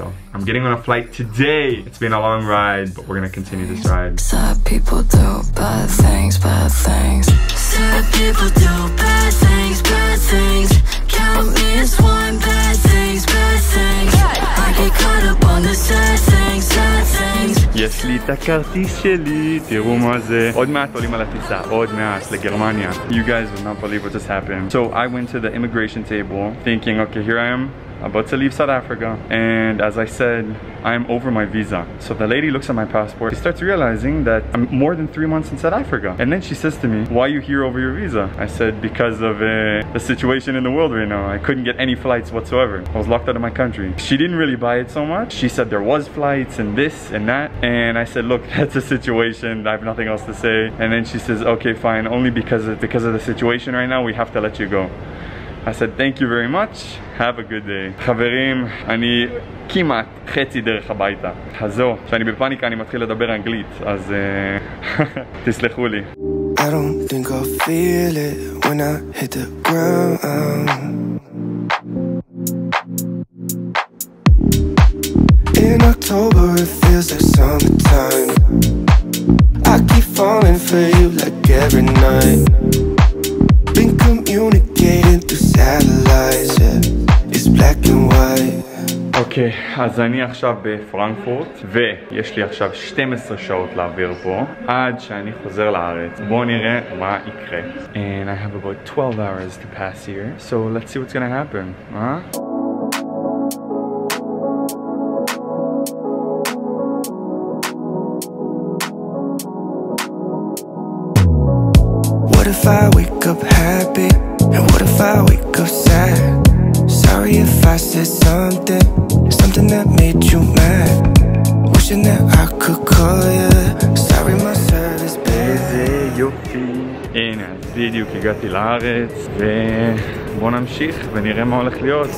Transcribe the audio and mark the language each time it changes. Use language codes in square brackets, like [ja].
[en] So I'm getting on a flight today. It's been a long ride, but we're gonna continue this ride. Sad people do bad things, bad things. Sad people do bad things, bad things. Count me as one, bad things, bad things. I get caught up on the sad things, sad things. [he] יש לי את הכרטיס שלי, תראו מה זה. עוד מעט עולים על הטיסה, עוד מעט לגרמניה. [en] You guys would not believe what just happened. So I went to the immigration table thinking, okay, here I am, about to leave South Africa. And as I said, I'm over my visa. So the lady looks at my passport. She starts realizing that I'm more than 3 months in South Africa. And then she says to me, why are you here over your visa? I said, because of the situation in the world right now. I couldn't get any flights whatsoever. I was locked out of my country. She didn't really buy it so much. She said there was flights and this and that. And I said, look, that's a situation. I have nothing else to say. And then she says, okay, fine. Only because of the situation right now, we have to let you go. I said, thank you very much. Have a good day. [he] חברים, אני כמעט חצי דרך הביתה. אז זהו, כשאני בפאניקה אני מתחיל לדבר אנגלית, אז תסלחו לי. [en] I don't think I'll feel it when I hit the ground. In October it feels like summertime. I keep falling for you like every night. Been communicating through satellites, yeah. It's black and white. [he] אוקיי, אז אני עכשיו בפרנקפורט, ויש לי עכשיו 12 שעות להעביר פה, עד שאני חוזר לארץ. בואו נראה מה יקרה. [en] And I have about 12 hours to pass here, so let's see what's gonna happen, huh? What if I wake up happy? And what if I wake up sad? Sorry if I said something, something that made you mad. Wishing that I could call you. Sorry my service bad. [he] הנה, בדיוק הגעתי לארץ, ובוא נמשיך ונראה מה הולך להיות.